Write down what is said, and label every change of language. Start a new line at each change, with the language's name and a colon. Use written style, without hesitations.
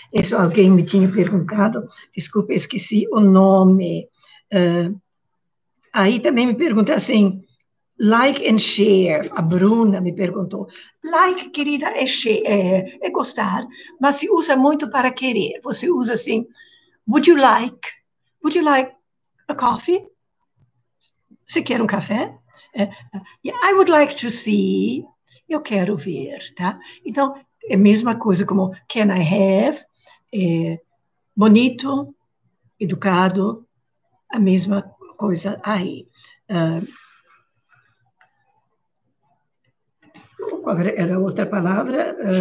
Portuguese: Isso alguém me tinha perguntado, desculpe, esqueci o nome. Aí também me pergunta assim,
English: like and share,
Portuguese: a Bruna me perguntou. Like, querida, é, share, é gostar, mas se usa muito para querer. Você usa assim,
English: would you like a coffee?
Portuguese: Você quer um café?
English: Yeah, I would like to see,
Portuguese: eu quero ver, tá? Então, é a mesma coisa como
English: can I have,
Portuguese: é, bonito, educado, a mesma coisa aí. Qual era a outra palavra?